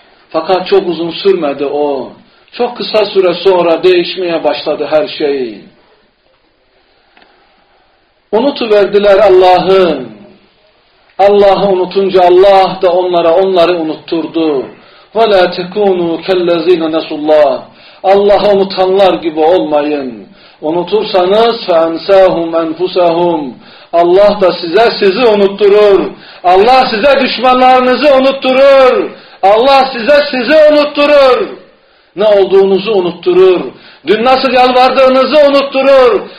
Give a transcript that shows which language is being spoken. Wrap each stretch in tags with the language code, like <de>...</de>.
<tr>Fakat çok uzun sürmedi o. Çok kısa süre sonra değişmeye başladı her şey. Unutuverdiler Allah'ı. Allah'ı unutunca Allah da onlara onları unutturdu.</tr> <ar>وَلَا تَكُونُوا كَلَّذ۪ينَ نَسُوا اللّٰهِ</ar> <tr>Allah'ı unutanlar gibi olmayın. Unutursanız</tr> <ar>فَاَنْسَاهُمْ اَنْفُسَهُمْ</ar> <tr>Allah da size sizi unutturur. Allah size düşmanlarınızı unutturur. Allah size sizi unutturur. Ne olduğunuzu unutturur. Dün nasıl yalvardığınızı unutturur.</tr>